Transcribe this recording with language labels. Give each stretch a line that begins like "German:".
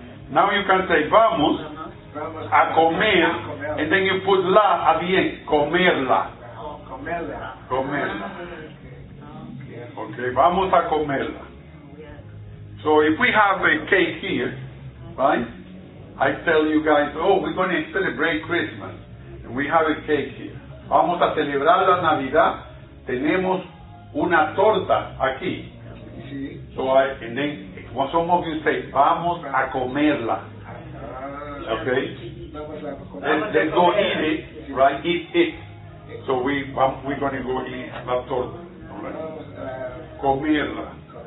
English: Now you can say,
Spanish: vamos a comer,
English: and then you put la at the end, comerla. Comerla. Okay,
Spanish: vamos a comerla.
English: So if we have a cake here, right, I tell you guys, oh, we're going to celebrate Christmas, and we have a cake here.
Spanish: Vamos a celebrar la Navidad, tenemos una torta aquí.
English: So I, and then some of you say,
Spanish: vamos a comerla,
English: okay, then go eat it, right, eat it. So we're going to go eat la torta, right? Comerla.